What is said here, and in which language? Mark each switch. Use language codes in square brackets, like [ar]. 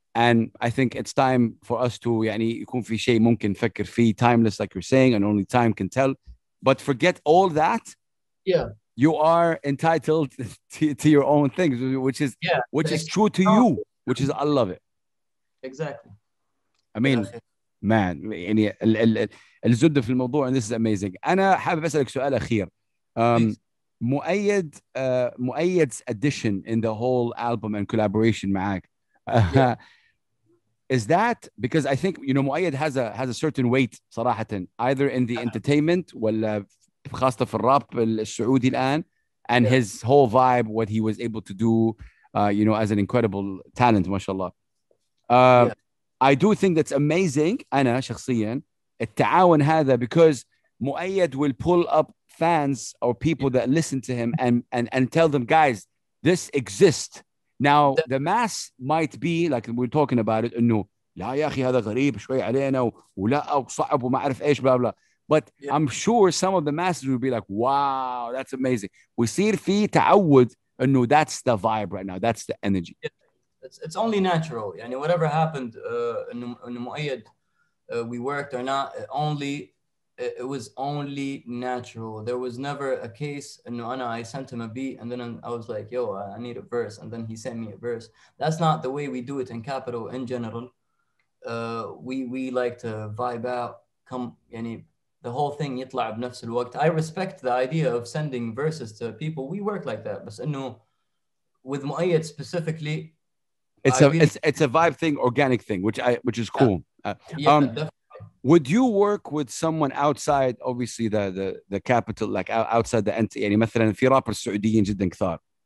[en] And I think it's time for us to [ar] يعني يكون في شيء ممكن نفكر فيه [en] timeless, like you're saying, and only time can tell. But forget all that. Yeah. You are entitled to your own things, which is yeah, which is true to you, which is I love it. Exactly. I mean, yeah. Man, [ar] يعني الزبدة في الموضوع, [en] and this is amazing. [ar] أنا حابب أسألك سؤال أخير. [en] مؤيد's addition in the whole album and collaboration معاك. Yeah. Is that because I think you know Muayyad has a certain weight, صراحةً, either in the entertainment [ar] ولا خاصة في الراب السعودي الآن, [en] and yeah. his whole vibe, what he was able to do, you know, as an incredible talent, mashallah. I do think that's amazing. [ar] أنا شخصياً التعاون هذا, [en] because Muayyad will pull up fans or people that listen to him and tell them, guys, this exists. Now the mass might be like we're talking about it. [ar] No, لا يا أخي هذا غريب شوي علينا ولا أو صعب وما أعرف إيش بلا بلا. [en] But yeah. I'm sure some of the masses will be like, wow, that's amazing. We see [ar] في تعود إنه [en] that's the vibe right now. That's the energy. It's only natural. يعني whatever happened [ar] إنه مؤيد [en] we worked or not, it was only natural. There was never a case, and you know, I sent him a beat and then I was like, yo, I need a verse. And then he sent me a verse. That's not the way we do it in Capital in general. We like to vibe out, come, يعني, the whole thing [ar] يطلع بنفس الوقت. [en] I respect the idea of sending verses to people. We work like that. But you know, with Muayyad specifically, it's a vibe thing, organic thing, which is cool. Yeah, definitely. Would you work with someone outside, obviously the capital, like outside the entity? [ar] يعني مثلا في رابر سعوديين جدا كثار.